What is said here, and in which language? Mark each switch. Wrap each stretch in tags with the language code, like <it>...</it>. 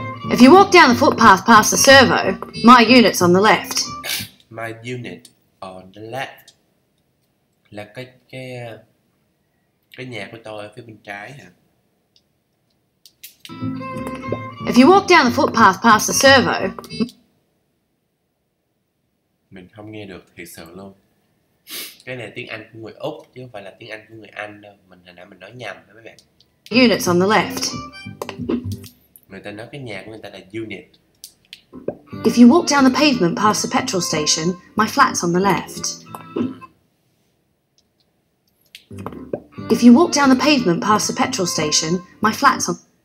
<en>If you walk down the footpath past the servo, my unit's on the left. My unit on the left.</en> <vi>Là cái nhà của tôi ở phía bên trái hả?</vi> <en>If you walk down the footpath past the servo.</en> <vi>Mình không nghe được thiệt sự luôn. Cái này tiếng Anh của người Úc chứ không phải là tiếng Anh của người Anh đâu. Mình hồi nãy mình nói nhầm đó mấy bạn.</vi> <en>Units on the left.</en> <vi>Người ta nói cái nhà của người ta là unit.</vi> <en>If you walk down the pavement past the petrol station, my flat's on the left. If you walk down the pavement past the petrol station, my flat's on</en>